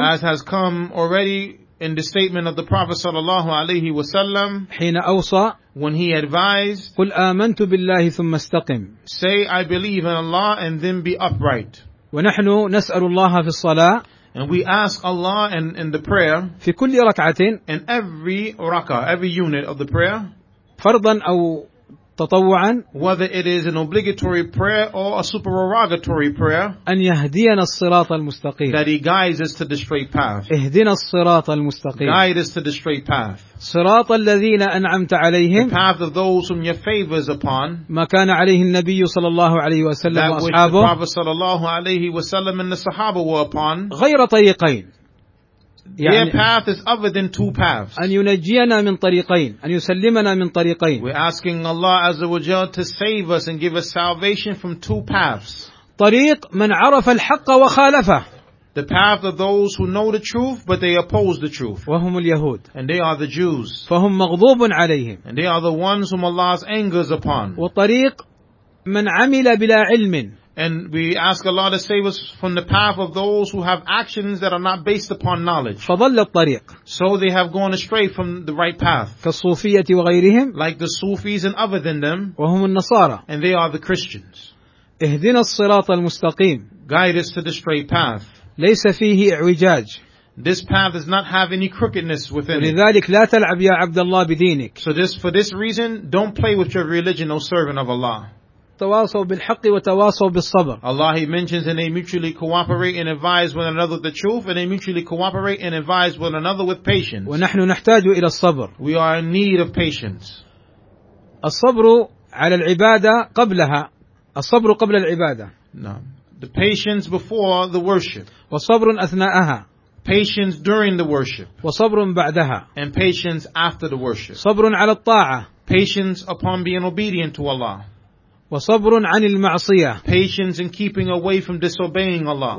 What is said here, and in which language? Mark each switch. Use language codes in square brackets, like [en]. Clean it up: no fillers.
[en] As has come already in the statement of the Prophet sallallahu alayhi wa sallam, [ar] حين أوصى, [en] when he advised, [ar] قل آمنت بالله ثم استقم, [en] say I believe in Allah and then be upright. [ar] ونحن نسأل الله في الصلاة, [en] and we ask Allah in the prayer, [ar] في كل ركعة, [en] in every rakah, every unit of the prayer, [ar] فرضا أو تطوعا, [en] whether it is an obligatory prayer or a supererogatory prayer, [ar] أن يهدينا الصراط المستقيم, [en] that he guides us to the straight path. [ar] اهدنا الصراط المستقيم, [en] guide us to the straight path. [ar] صراط الذين أنعمت عليهم, [en] the path of those whom your favors upon. [ar] ما كان عليه النبي صلى الله عليه وسلم [en] that [ar] وأصحابه, [en] that which the Prophet [ar] صلى الله عليه وسلم [en] and the Sahaba were upon. [ar] غير طريقين. [en] Their path is other than two paths. [ar] أن ينجينا من طريقين, أن يسلمنا من طريقين. [en] We're asking Allah Azza wa Jalla to save us and give us salvation from two paths. [ar] طريق من عرف الحق وخالفه. [en] The path of those who know the truth but they oppose the truth. [ar] وهم اليهود. [en] And they are the Jews. [ar] فهم مغضوب عليهم. [en] And they are the ones whom Allah's angers upon. [ar] وطريق من عمل بلا علم. [en] And we ask Allah to save us from the path of those who have actions that are not based upon knowledge. [ar] فضل الطريق. [en] So they have gone astray from the right path. [ar] كالصوفية وغيرهم. [en] Like the Sufis and other than them. [ar] وهم النصارى. [en] And they are the Christians. [ar] اهدنا الصراط المستقيم. [en] Guide us to the straight path. [ar] ليس فيه اعوجاج. [en] This path does not have any crookedness within it. [ar] لذلك لا تلعب يا عبد الله بدينك. [en] So this, for this reason, don't play with your religion, O servant of Allah. [ar] تواصوا بالحق وتواصوا بالصبر. [en] Allah, He mentions, and they mutually cooperate and advise one another with the truth, and they mutually cooperate and advise one another with patience. [ar] ونحن نحتاج إلى الصبر. [en] We are in need of patience. [ar] الصبر على العبادة قبلها. الصبر قبل العبادة. نعم. [en] The patience before the worship. [ar] وصبر أثناءها. [en] Patience during the worship. [ar] وصبر بعدها. [en] And patience after the worship. [ar] صبر على الطاعة. [en] Patience upon being obedient to Allah. [ar] وصبر عن المعصية. [en] Patience in keeping away from disobeying Allah.